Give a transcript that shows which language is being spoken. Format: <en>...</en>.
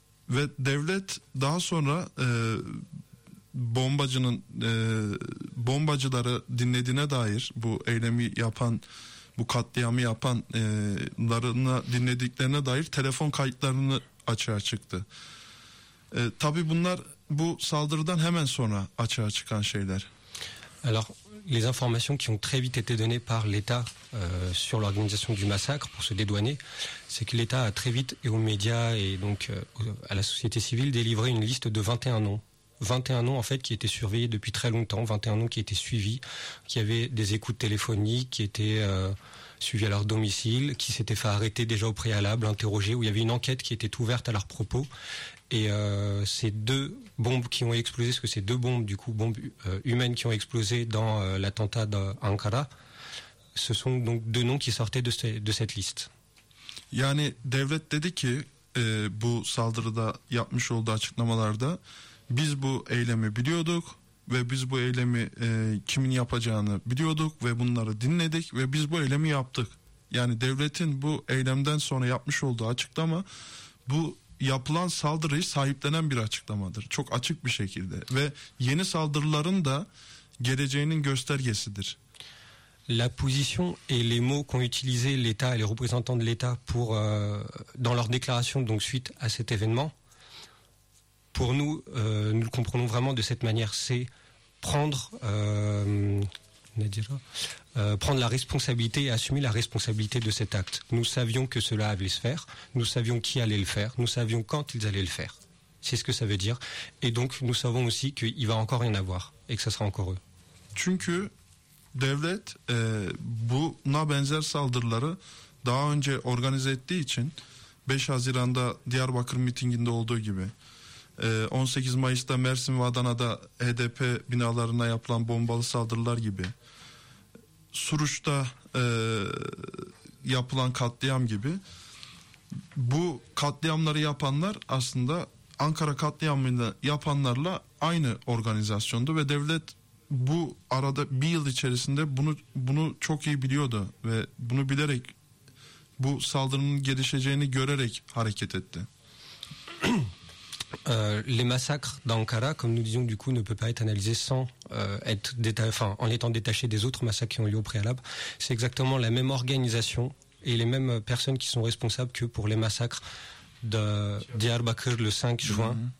<tr>Ve devlet daha sonra bombacıları dinlediğine dair, bu eylemi yapan, bu katliamı yapanlarına dinlediklerine dair telefon kayıtlarını açığa çıktı. Tabii bunlar bu saldırıdan hemen sonra açığa çıkan şeyler.</tr> <fr>Alors, les informations qui ont très vite été données par l'État sur l'organisation du massacre pour se dédouaner, c'est que l'État a très vite, et aux médias et donc à la société civile, délivré une liste de 21 noms. 21 noms, en fait, qui étaient surveillés depuis très longtemps, 21 noms qui étaient suivis, qui avaient des écoutes téléphoniques, qui étaient suivis à leur domicile, qui s'étaient fait arrêter déjà au préalable, interrogés, où il y avait une enquête qui était ouverte à leur propos. Et ces deux bombes qui ont explosé, parce que ces deux bombes, du coup, bombes humaines qui ont explosé dans l'attentat d'Ankara, ce sont donc deux noms qui sortaient de cette liste.</fr> <tr>Yani devlet dedi ki, bu saldırıda yapmış olduğu açıklamalarda, biz bu eylemi biliyorduk ve biz bu eylemi kimin yapacağını biliyorduk ve bunları dinledik ve biz bu eylemi yaptık. Yani devletin bu eylemden sonra yapmış olduğu açıklama, bu yapılan saldırıyı sahiplenen bir açıklamadır. Çok açık bir şekilde. Ve yeni saldırıların da geleceğinin göstergesidir.</tr> <fr>La position et les mots qu'ont utilisé l'État et les représentants de l'État pour dans leur déclaration donc suite à cet événement, pour nous, nous le comprenons vraiment de cette manière, c'est prendre la responsabilité et assumer la responsabilité de cet acte. Nous savions que cela allait se faire, nous savions qui allait le faire, nous savions quand ils allaient le faire. C'est ce que ça veut dire. Et donc, nous savons aussi qu'il va encore rien avoir et que ça sera encore eux.</fr> <tr>Çünkü devlet buna benzer saldırıları daha önce organize ettiği için 5 Haziran'da Diyarbakır mitinginde olduğu gibi 18 Mayıs'ta Mersin ve Adana'da HDP binalarına yapılan bombalı saldırılar gibi, Suruç'ta yapılan katliam gibi, bu katliamları yapanlar aslında Ankara katliamını yapanlarla aynı organizasyondu ve devlet bu arada bir yıl içerisinde bunu çok iyi biliyordu ve bunu bilerek, bu saldırının gelişeceğini görerek hareket etti.</tr> <fr>Les massacres d'Ankara, comme nous disions, du coup, ne peuvent pas être analysés sans être en étant détachés des autres massacres qui ont lieu au préalable. C'est exactement la même organisation et les mêmes personnes qui sont responsables que pour les massacres de Diyarbakır le 5 juin. Mm-hmm.</fr>